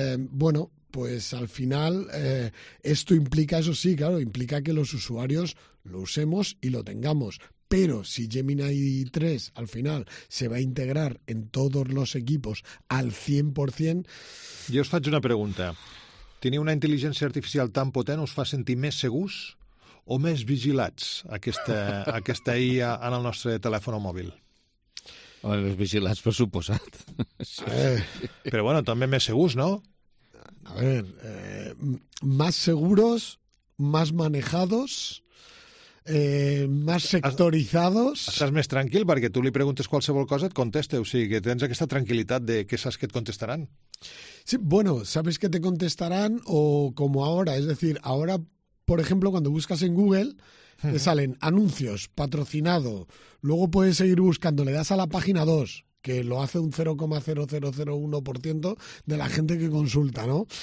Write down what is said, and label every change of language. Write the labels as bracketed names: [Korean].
[Spanish] Bueno, pues al final esto implica, eso sí, claro, implica que los usuarios lo usemos y lo tengamos. Pero si Gemini 3 al final se va a integrar en todos los equipos al 100%... [Catalan] Jo us faig una pregunta. Tenir una intel·ligència artificial tan potent us fa sentir més segurs o més vigilats aquesta IA en el nostre telèfon mòbil? Home, més vigilats, per suposat. Però bueno, també més segurs, no? A veure, més segurs, més manejats... [Spanish] más sectorizados. [Catalan] Estàs més tranquil perquè tu li preguntes qualsevol cosa, et conteste, o sigui que tens aquesta tranquil·litat de que saps que et contestaran. [Spanish] Sí, bueno, sabes que te contestaran o como ahora, es decir, ahora, por ejemplo, cuando buscas en Google, te salen anuncios, patrocinado, luego puedes seguir buscando, le das a la página 2, que lo hace un 0,0001% de la gente que consulta, ¿no?